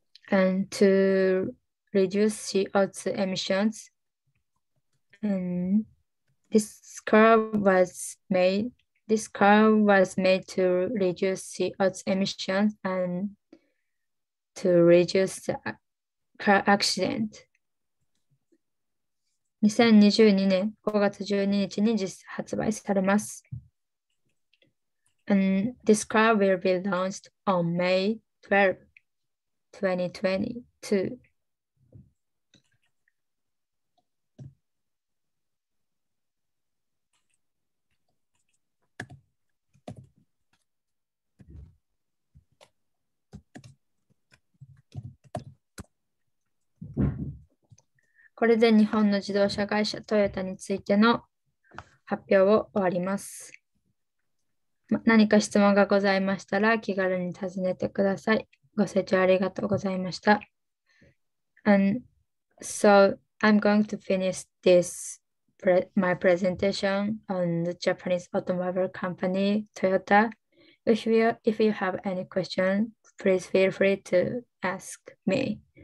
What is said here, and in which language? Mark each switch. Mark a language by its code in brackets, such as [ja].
[en] And to reduce CO2 emissions, this car was made to reduce CO2 emissions and to reduce the car accident. [ja] 2022年5月12日に実発売されます。 [en] And this car will be launched on May 12, 2022. [ja] これで日本の自動車会社トヨタについての発表を終わります。何か質問がございましたら気軽に尋ねてください。ご清聴ありがとうございました。 [en] And so I'm going to finish this my presentation on the Japanese automobile company Toyota. If you have any question, please feel free to ask me.